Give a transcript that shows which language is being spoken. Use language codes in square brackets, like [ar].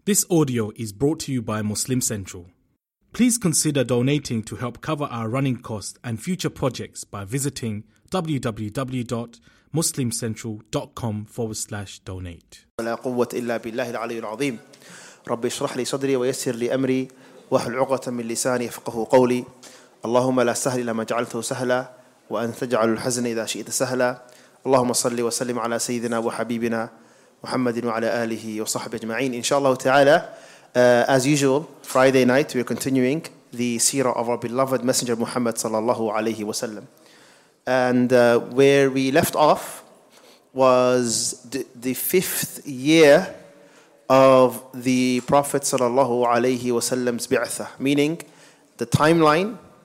[en] This audio is brought to you by Muslim Central. Please consider donating to help cover our running costs and future projects by visiting www.muslimcentral.com/donate. [ar] ولا قوة إلا بالله العلي العظيم. رب اشرح لي صدري ويسر لي أمري واحلل عقدة من لساني يفقهوا قولي. اللهم لا سهل إلا ما جعلته سهلا وأن تجعل الحزن إذا شئت سهلا. اللهم صل وسلم على سيدنا وحبيبنا محمد وعلى آله وصحبه أجمعين. إن شاء الله تعالى, [en] as usual, Friday night we are continuing the seerah of our beloved messenger Muhammad sallallahu alayhi wa sallam. And where we left off was the fifth year of the Prophet sallallahu alayhi wa sallam's bi'atha, meaning the timeline.